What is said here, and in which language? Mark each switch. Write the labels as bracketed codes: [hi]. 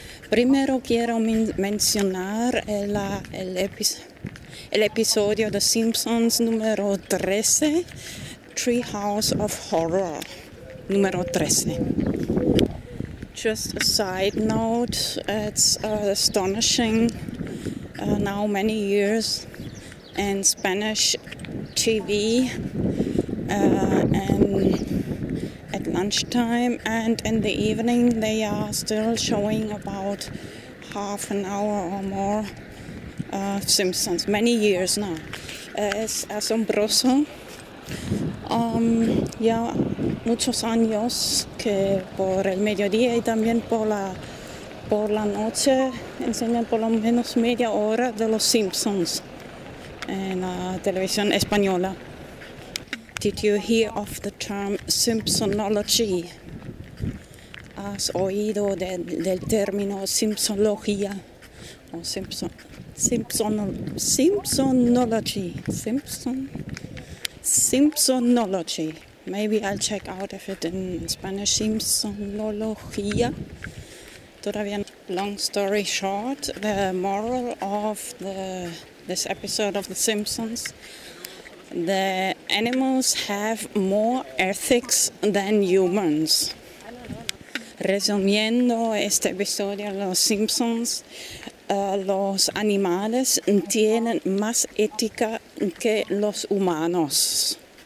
[es] Primero quiero mencionar el episodio de Simpsons número 13, Treehouse of Horror, número 13. [en] Just a side note, it's astonishing now many years in Spanish TV and at lunchtime and in the evening they are still showing about half an hour or more Simpsons, many years now. [es] Es asombroso. Ya muchos años que por el mediodía y también por la noche enseñan por lo menos media hora de los Simpsons en la televisión española. [en] Did you hear of the term Simpsonology? [es] ¿Has oído del término Simpsonología? O Simpsonology. [en] Maybe I'll check out if it in Spanish. Simpsonología. [es] Todavía no. [en] Long story short, the moral of this episode of The Simpsons, the animals have more ethics than humans. [es] Resumiendo este episodio de Los Simpsons, los animales tienen más ética que los humanos.